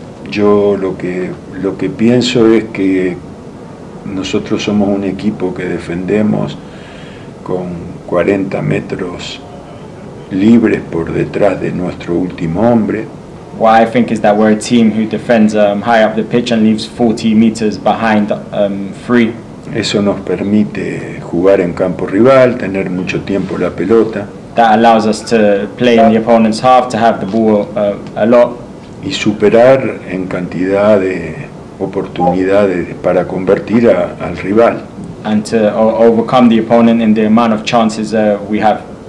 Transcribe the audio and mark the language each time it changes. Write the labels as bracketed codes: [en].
[es] Yo lo que pienso es que nosotros somos un equipo que defendemos con 40 metros libres por detrás de nuestro último hombre. [en] What I think is that we're a team who defends high up the pitch and leaves 40 meters behind free. [es] Eso nos permite jugar en campo rival, tener mucho tiempo la pelota. [en] That allows us to play in the opponent's half, to have the ball a lot. [es] Y superar en cantidad de oportunidades para convertir al rival. [en] And to overcome the opponent in the amount of chances we have.